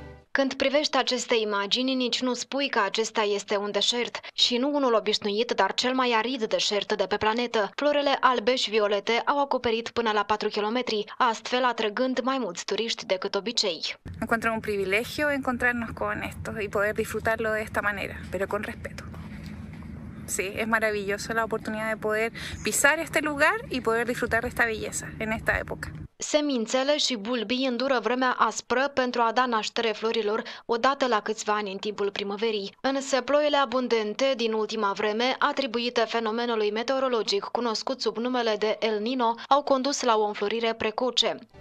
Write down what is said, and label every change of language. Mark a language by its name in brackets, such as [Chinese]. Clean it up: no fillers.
[Romanian] Când privești aceste imagini, nici nu spui că acesta este un deșert. Și nu unul obișnuit, dar cel mai arid deșert de pe planetă. Florele albe și violete au acoperit până la 4 km, astfel atrăgând mai mulți turiști decât obicei. [Spanish] Encuentro un privilegio encontrarnos con esto y poder disfrutarlo de esta manera, pero con respeto. Sí, es maravilloso la oportunidad de poder pisar este lugar y poder disfrutar de esta belleza en esta época. [Romanian] Semințele și bulbii îndură vremea aspră pentru a da naștere florilor odată la câțiva ani în timpul primăverii. Însă ploile abundente din ultima vreme, atribuite fenomenului meteorologic cunoscut sub numele de El Nino, au condus la o înflorire precoce.